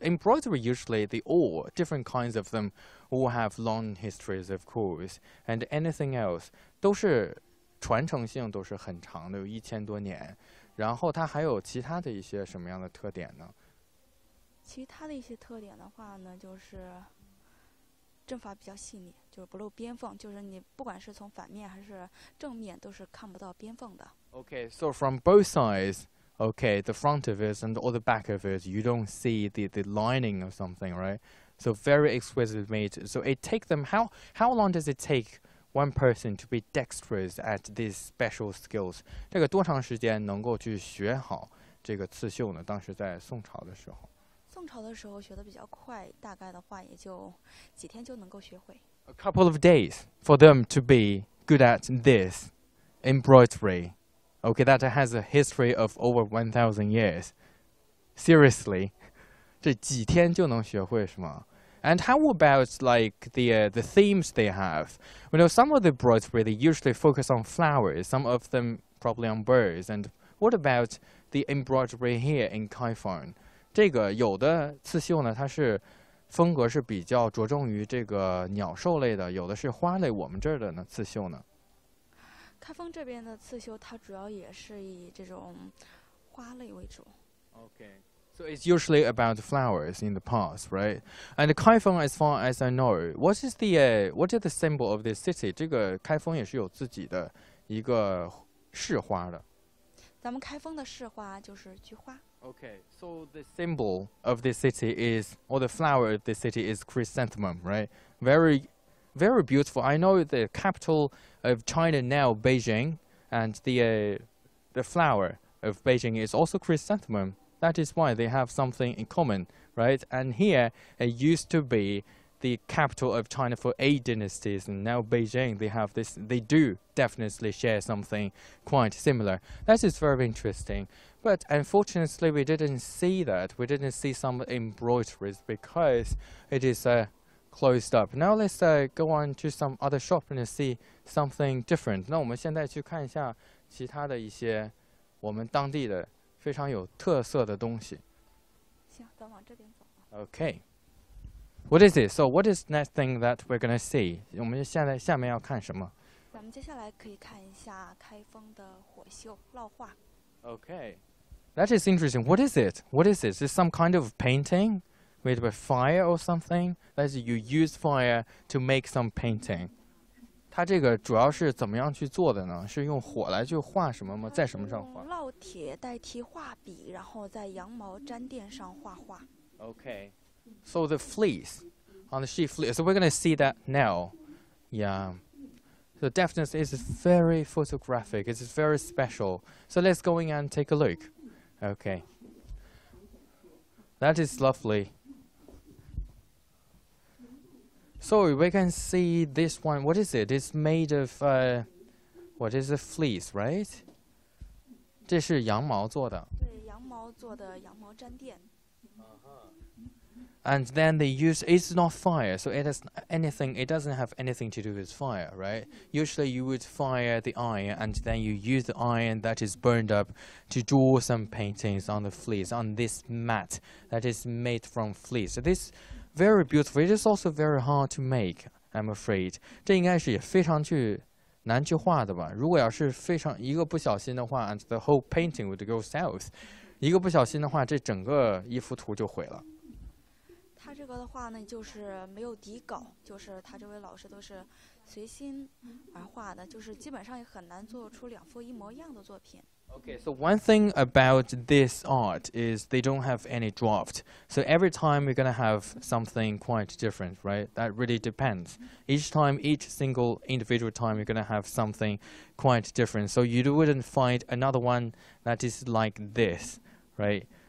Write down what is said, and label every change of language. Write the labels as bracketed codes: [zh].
[en] Embroidery, usually, they all, different kinds of them, all have long histories, of course. And anything else, [zh] 都是... 传承性都是很长的，有一千多年。然后它还有其他的一些什么样的特点呢？其他的一些特点的话呢，就是阵法比较细腻，就是不露边缝，就是你不管是从反面还是正面都是看不到边缝的。 [en] Okay, so from both sides, okay, the front of it and all the back of it, you don't see the lining of something, right? So very exquisite made. So it takes them, how long does it take one person to be dexterous at these special skills? [zh] 这个多长时间能够去学好这个刺绣呢？当时在宋朝的时候。宋朝的时候学的比较快，大概的话也就几天就能够学会。 [en] A couple of days for them to be good at this embroidery. Okay, that has a history of over 1,000 years. Seriously, [zh] 这几天就能学会是吗？ [en] And how about like the themes they have? You know, some of the embroidery, they usually focus on flowers, some of them probably on birds. And what about the embroidery here in Kaifeng? [zh] 这个有的刺绣呢，它是风格是比较着重于这个鸟兽类的，有的是花类。我们这儿的呢，刺绣呢，开封这边的刺绣，它主要也是以这种花类为主。 [en] Okay, so it's usually about flowers in the past, right? And Kaifeng, as far as I know, what is the symbol of this city? [zh] 这个开封也是有自己的一个市花的。咱们开封的市花就是菊花。 [en] Okay, so the symbol of the city is, or the flower of the city is chrysanthemum, right? Very, very beautiful. I know the capital of China now, Beijing, and the flower of Beijing is also chrysanthemum. That is why they have something in common, right? And here, it used to be the capital of China for 8 dynasties, and now Beijing, they have this, they do definitely share something quite similar. That is very interesting. But unfortunately, we didn't see that. We didn't see some embroideries because it is closed up. Now let's go on to some other shop and see something different. [zh] 那我们现在去看一下其他的一些我们当地的非常有特色的东西。行，咱往这边走。 [en] Okay. What is it? So what is next thing that we're going to see? [zh] 我们现在下面要看什么？咱们接下来可以看一下开封的火绣烙画。 [en] Okay, that is interesting. What is it? What is it? Is it some kind of painting made by fire or something? That is, you use fire to make some painting. [zh] 它这个主要是怎么样去做的呢？是用火来去画什么吗？在什么上画？烙铁代替画笔，然后在羊毛毡垫上画画。 [en] Okay, so the fleece on the sheet fleece. So we're going to see that now. Yeah. So definitely it's very photographic, it's very special. So let's go in and take a look. Okay. That is lovely. So we can see this one, what is it? It's made of, what is it, fleece, right? [zh] 这是羊毛做的。对，羊毛做的羊毛毡垫。 [en] And then they use, it's not fire, so it has anything, it doesn't have anything to do with fire, right? Usually you would fire the iron, and then you use the iron that is burned up to draw some paintings on the fleece, on this mat that is made from fleece. So this is very beautiful, it is also very hard to make, I'm afraid. [zh] 这应该是也非常去难去画的吧。如果要是非常一个不小心的话 [en] and the whole painting would go south. [zh] 一个不小心的话这整个一幅图就毁了。他这个的话呢，就是没有底稿，就是他这位老师都是随心而画的，就是基本上也很难做出两幅一模一样的作品。 [en] Okay, so one thing about this art is they don't have any draft. So every time we're gonna have something quite different, right? That really depends. Each time, each single individual time, you're gonna have something quite different. So you wouldn't find another one that is like this, right?